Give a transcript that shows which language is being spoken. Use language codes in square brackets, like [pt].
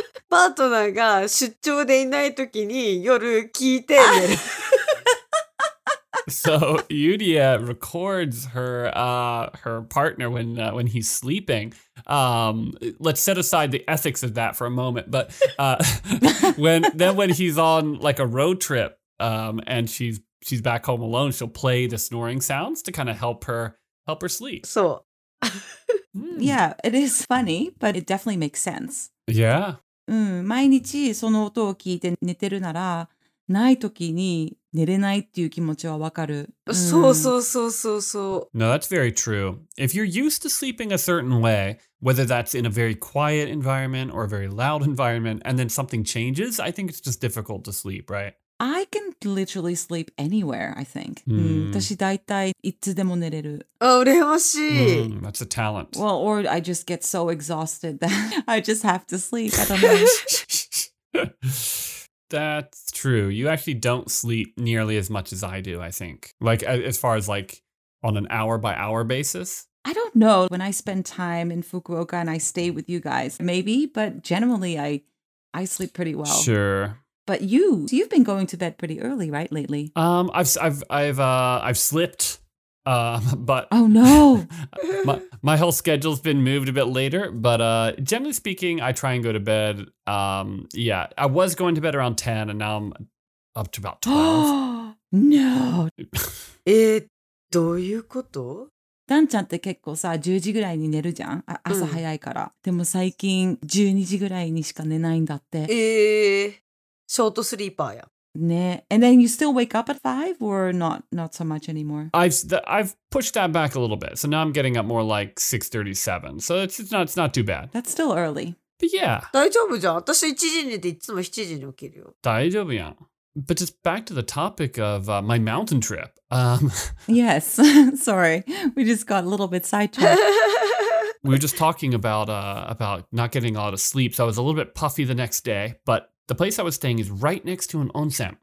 [ja] パートナーが出張でいないときに夜聞いて寝る。 [en] So Yuria records her partner when he's sleeping. Let's set aside the ethics of that for a moment. But when he's on like a road trip and she's back home alone, she'll play the snoring sounds to kind of help her sleep. So yeah, it is funny, but it definitely makes sense. Yeah. [ja] 毎日その音を聞いて寝てるなら。ない時に寝れないっていう気持ちはわかる。そうそうそうそうそう。 [en] No, that's very true. If you're used to sleeping a certain way, whether that's in a very quiet environment or a very loud environment, and then something changes, I think it's just difficult to sleep, right? I can literally sleep anywhere, I think. [ja] 私だいたいいつでも寝れる。あ、羨ましい。 [en] That's a talent. Well, or I just get so exhausted that I just have to sleep. I don't know. That's true. You actually don't sleep nearly as much as I do, I think. Like, as far as like on an hour-by-hour basis? I don't know. When I spend time in Fukuoka and I stay with you guys, maybe, but generally I sleep pretty well. Sure. But you've been going to bed pretty early, right, lately? I've slipped. But oh no, my whole schedule's been moved a bit later. But generally speaking, I try and go to bed. Yeah, I was going to bed around 10, and now I'm up to about 12. No. [ja] どういうこと？ダンちゃんって結構さ10時ぐらいに寝るじゃん。あ、朝早いから。でも最近12時ぐらいにしか寝ないんだって。ショートスリーパーや。ね。 [en] And then you still wake up at 5 or not so much anymore? I've pushed that back a little bit. So now I'm getting up more like 6:37. So it's not too bad. That's still early. But yeah. [ja] 大丈夫じゃん。私1時に寝ていつも7時に起きるよ。大丈夫やん。 [en] But just back to the topic of my mountain trip. yes. Sorry. We just got a little bit sidetracked. We were just talking about not getting a lot of sleep. So I was a little bit puffy the next day, but the place I was staying is right next to an onsen.